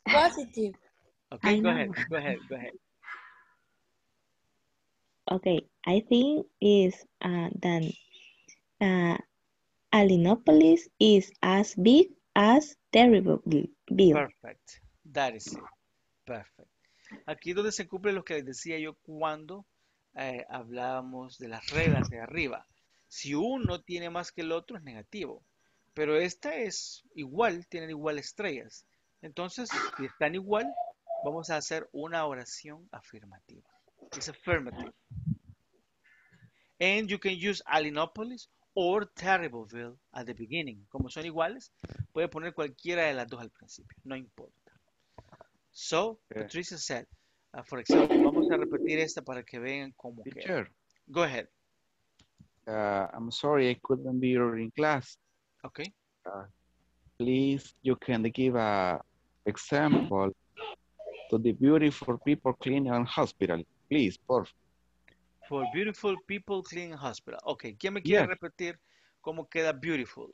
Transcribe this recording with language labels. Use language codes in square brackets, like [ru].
[en] Positive. Okay, go ahead. Okay, I think is that Alinopolis is as big as terrible. Bill. Perfect. That is it. Perfect. [es] Aquí es donde se cumple lo que les decía yo cuando hablábamos de las reglas de arriba. Si uno tiene más que el otro, es negativo. Pero esta es igual, tienen igual estrellas. Entonces, si están igual, vamos a hacer una oración afirmativa. [en] It's affirmative. And you can use Alinopolis or Terribleville at the beginning. [es] Como son iguales, Puede poner cualquiera de las dos al principio. No importa. [en] So, okay. Patricia said, for example, [es] vamos a repetir esta para que vean cómo [en] queda. Teacher. Go ahead. I'm sorry, I couldn't be in class. Okay. Please, you can give a example to the beautiful people cleaning and hospital. Please, por for beautiful people cleaning hospital. [es] Okay, ¿quién me quiere repetir cómo queda beautiful?